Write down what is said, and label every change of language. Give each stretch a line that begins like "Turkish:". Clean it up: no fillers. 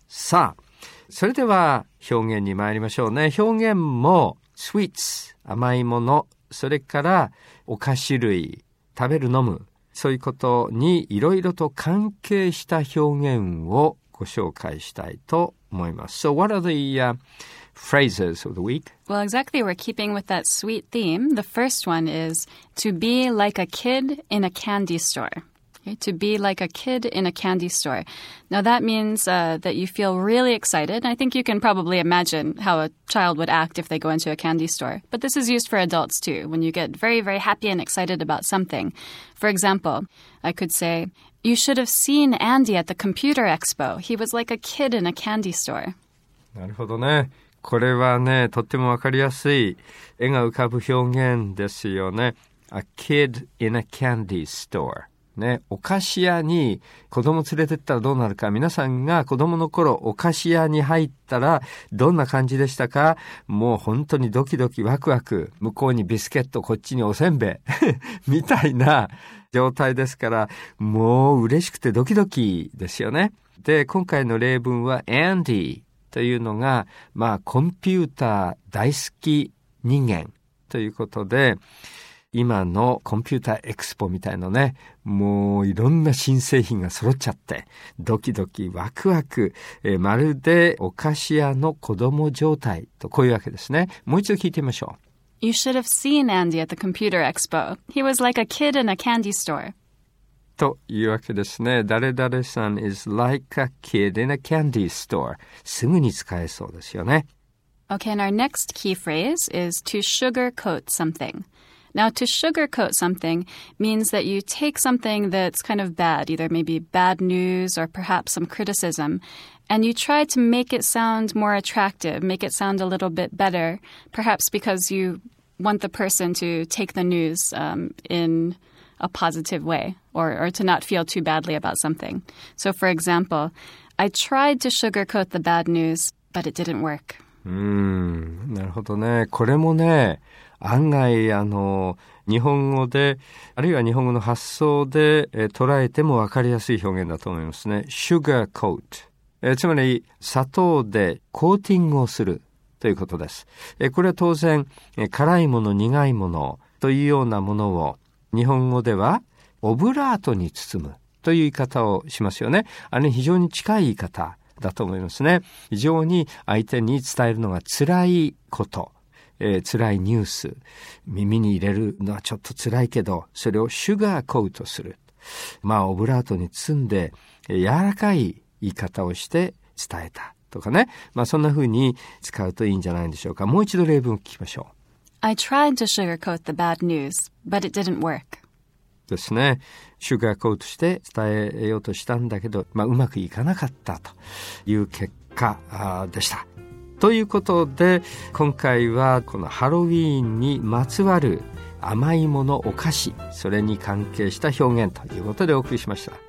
Japanese: さあ、それでは表現に参りましょうね。表現も、sweets、甘いもの、それからお菓子類、食べる飲む、そういうことにいろいろと関係した表現をご紹介したいと思います。
English: So what are the phrases of the week? Well, exactly, we're keeping with that sweet theme. The first one is to be like a kid in a candy store. Okay, to be like a kid in a candy store. Now that means that you feel really excited. I think you can probably imagine how a child would act if they go into a candy store. But this is used for adults too, when you get very, very happy and excited about something. For example, I could say, you should have seen Andy at the computer expo. He was like a kid in a candy store.
Japanese: なるほどね。これはね、とってもわかりやすい絵が浮かぶ表現ですよね。
English: A kid in a candy store.
Japanese: ね、お菓子屋に子供連れてったらどうなるか、皆さんが子供の頃お菓子屋に入ったらどんな感じでしたか？もう本当にドキドキワクワク、向こうにビスケット、こっちにおせんべいみたいな状態ですから、もう嬉しくてドキドキですよね。で、今回の例文は Andy というのが、まあコンピューター大好き人間ということで、今のコンピューターエクスポみたいのね、もういろんな新製品が揃っちゃってドキドキワクワク、まるでお菓子屋の子供状態と、こういうわけですね。もう一度聞いてみましょう。
English: You should have seen Andy at the computer expo. He was like a kid in a candy store.
Japanese: というわけですね。
English: 誰々さん is like a kid in a candy store.
Japanese: すぐに使えそうですよね。
English: Okay, and our next key phrase is to sugarcoat somethingNow, to sugarcoat something means that you take something that's kind of bad, either maybe bad news or perhaps some criticism, and you try to make it sound more attractive, make it sound a little bit better, perhaps because you want the person to take the news in a positive way or to not feel too badly about something. So, for example, I tried to sugarcoat the bad news, but it didn't work.
Japanese: なるほどね。これもね、案外日本語で、あるいは日本語の発想で捉えても分かりやすい表現だと思いますね。 sugar coat、 つまり砂糖でコーティングをするということです。これは当然、辛いもの、苦いものというようなものを日本語ではオブラートに包むという言い方をしますよね。あれに非常に近い言い方だと思いますね。非常に相手に伝えるのが辛いこと、辛いニュース耳に入れるのはちょっと辛いけど、それをシュガーコートする、まあオブラートに包んで柔らかい言い方をして伝えたとかね、まあそんな風に使うといいんじゃないでしょうか。もう一度例文を聞きましょう。
English: I tried to sugarcoat the bad news, but it didn't work.
Japanese: ですね。シュガーコートして伝えようとしたんだけど、まあうまくいかなかったという結果でした。ということで、今回はこのハロウィーンにまつわる甘いもの、お菓子、それに関係した表現ということでお送りしました。